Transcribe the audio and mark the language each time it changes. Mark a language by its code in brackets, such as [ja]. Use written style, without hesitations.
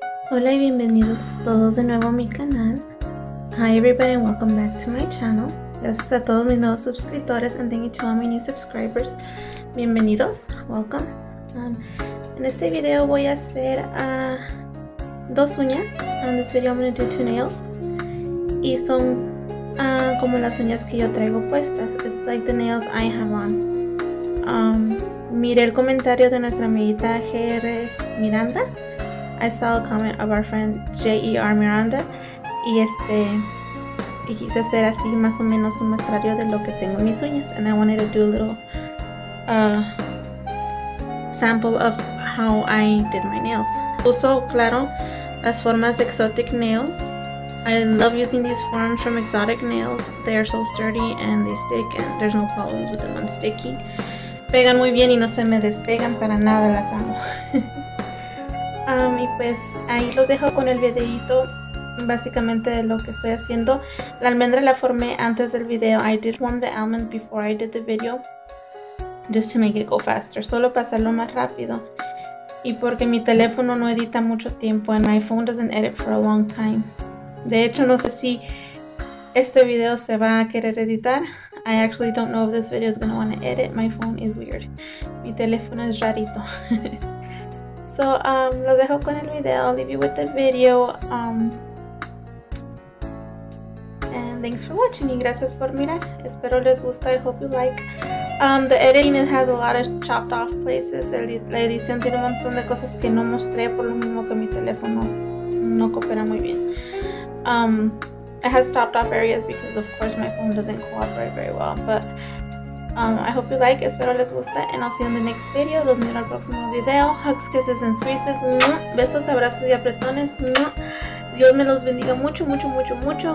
[es] Hola y bienvenidos todos de nuevo a mi canal. [en] Hi everybody and welcome back to my channel. [es] Gracias a todos mis nuevos suscriptores [en] and thank you to all my new subscribers. [es] Bienvenidos, [en] welcome. [es] En este video voy a hacer dos uñas. En este video [en] I'm going to do two nails. [es] Y son como las uñas que yo traigo puestas. [en] It's like the nails I have on. [es] Miré el comentario de nuestra amiguita GR Miranda. [en] I saw a comment of our friend J.E.R. [es] Miranda y y quise hacer así más o menos un muestrario de lo que tengo en mis uñas, [en] and I wanted to do a little sample of how I did my nails. [es] Uso, claro, las formas de exotic nails. [en] I love using these forms from exotic nails. They are so sturdy and they stick and there's no problems with them on sticky. [es] Pegan muy bien y no se me despegan para nada, las amo. Y pues ahí los dejo con el videito básicamente de lo que estoy haciendo. La almendra la formé antes del video. [en] I did warm the almond before I did the video just to make it go faster, [es] solo pasarlo más rápido, y porque mi teléfono no edita mucho tiempo, [en] and my phone doesn't edit for a long time. [es] De hecho, no sé si este video se va a querer editar. [en] I actually don't know if this video is going to want to edit. My phone is weird. [es] Mi teléfono es rarito. So, lo dejo con el video. [en] I'll leave you with the video. And thanks for watching. [es] Y gracias por mirar. Espero les gusta. [en] I hope you like. The editing, it has a lot of chopped off places. [es] La edición tiene un montón de cosas que no mostré, por lo mismo que mi teléfono no coopera muy bien. [en] It has chopped off areas because, of course, my phone doesn't cooperate very well. But I hope you like, [es] espero les guste, [en] and I'll see you in the next video. [es] Los miro al próximo video. [en] Hugs, kisses, and squeezes. [es] Besos, abrazos y apretones. Dios me los bendiga mucho, mucho, mucho, mucho.